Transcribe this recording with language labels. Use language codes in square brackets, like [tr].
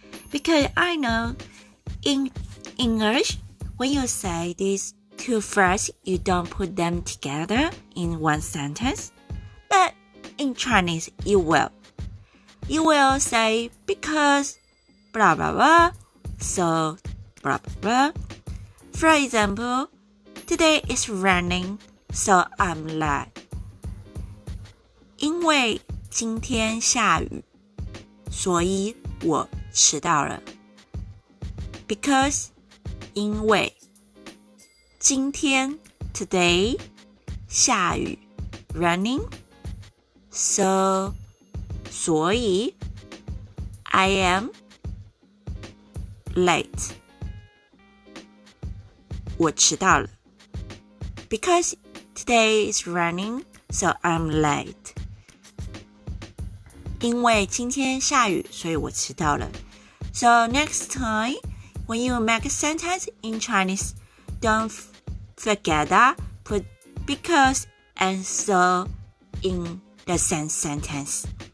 [en] Because I know in English, when you say these two phrases, you don't put them together in one sentence. But in Chinese, you will. You will say because, blah blah blah, so, blah blah blah. For example,Today is raining, so I'm late. [zh] 因为今天下雨，所以我迟到了。 [en] Because, [zh] 因为今天 [en] today [zh] 下雨 [en] raining, so [zh] 所以 [en] I am late. [zh] 我迟到了。 [en] Because today is raining, so I'm late. [zh] 因为今天下雨，所以我迟到了。 [en] So next time, when you make a sentence in Chinese, don't forget that put because and so in the same sentence.